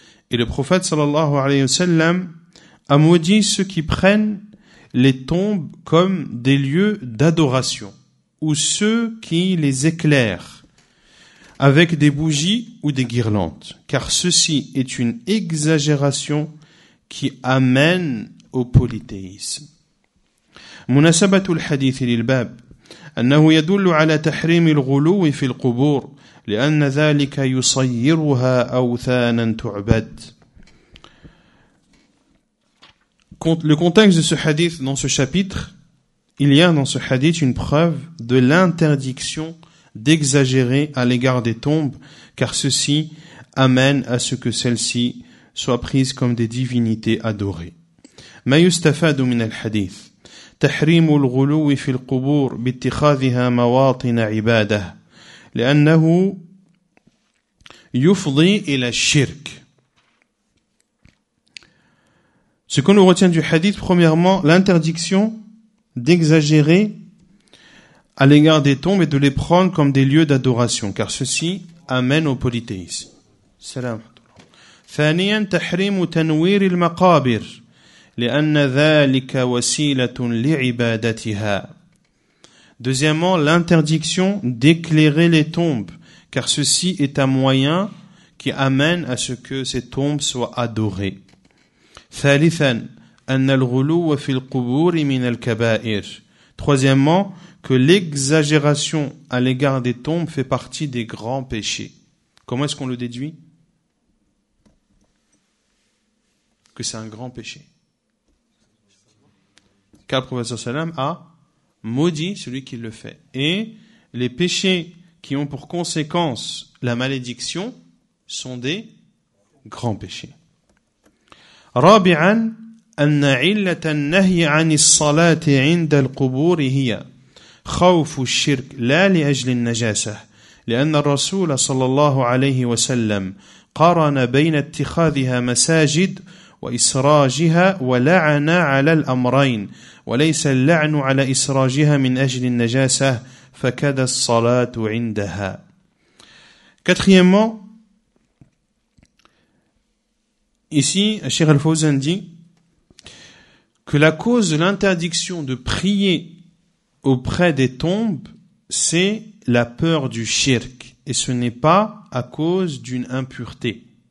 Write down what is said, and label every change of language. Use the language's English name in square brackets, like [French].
[French] Et le prophète sallallahu alayhi wa sallam a maudit ceux qui prennent les tombes comme des lieux d'adoration, ou ceux qui les éclairent avec des bougies ou des guirlandes, car ceci est une exagération qui amène au polythéisme. [Arabic] مناسبه الحديث للباب انه يدل على تحريم الغلو في القبور لان ذلك يصيرها اوثانا تعبد. [French] Le contexte de ce hadith, dans ce chapitre, il y a dans ce hadith une preuve de l'interdiction d'exagérer à l'égard des tombes, car ceci amène à ce que celles-ci soient prises comme des divinités adorées. [Arabic] ما يستفاد من الحديث تحريم الغلو في القبور باتخاذها مواطن عبادة لأنه يفضي إلى الشرك. [French] Ce que nous retient du hadith, premièrement, l'interdiction d'exagérer à l'égard des tombes et de les prendre comme des lieux d'adoration, car ceci amène au polythéisme. Salam. [Arabic] ثانيا تحريم تنوير المقابر لأن ذلك وسيلة لعبادتها. [French] Deuxièmement, l'interdiction d'éclairer les tombes, car ceci est un moyen qui amène à ce que ces tombes soient adorées. [Arabic] ثالثا أن الغلو في القبور من الكبائر. [French] Troisièmement, que l'exagération à l'égard des tombes fait partie des grands péchés. Comment est-ce qu'on le déduit? Que c'est un grand péché. Car le professeur Salam a maudit celui qui le fait. Et les péchés qui ont pour conséquence la malédiction sont des grands péchés. [Arabic] رابعا أن علة النهي عن الصلاة عند القبور هي خوف الشرك لا لأجل النجاسة لأن الرسول صلى الله عليه وسلم قارن بين اتخاذها مساجد وإسراجها ولعن على الأمرين وليس اللعن على إسراجها من أجل النجاسة فكاد الصلاة عندها. [French] Quatrièmement, ici, Cheikh Al-Fawzan dit que la cause de l'interdiction de prier auprès des tombes, c'est la peur du shirk, et ce n'est pas à cause d'une impureté.